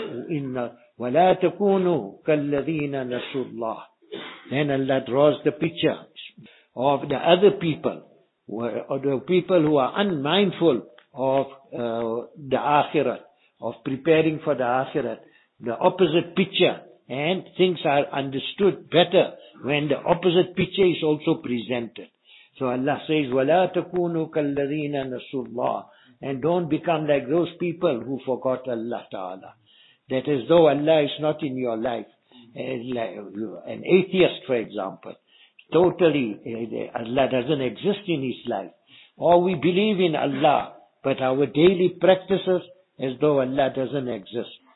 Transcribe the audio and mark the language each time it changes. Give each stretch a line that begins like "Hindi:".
Arabic: Inna وَلَا تَكُونُوا كَالَّذِينَ نَسُوا اللَّهِ.
English: Then Allah draws the picture of the other people, or the people who are unmindful of the akhirat, of preparing for the akhirat, the opposite picture, and things are understood better when the opposite picture is also presented. So Allah says,
Arabic: وَلَا تَكُونُوا كَالَّذِينَ نَسُوا اللَّهِ.
English: And don't become like those people who forgot Allah Ta'ala. That as though Allah is not in your life. An atheist, for example. Totally, Allah doesn't exist in his life. Or we believe in Allah, but our daily practices as though Allah doesn't exist.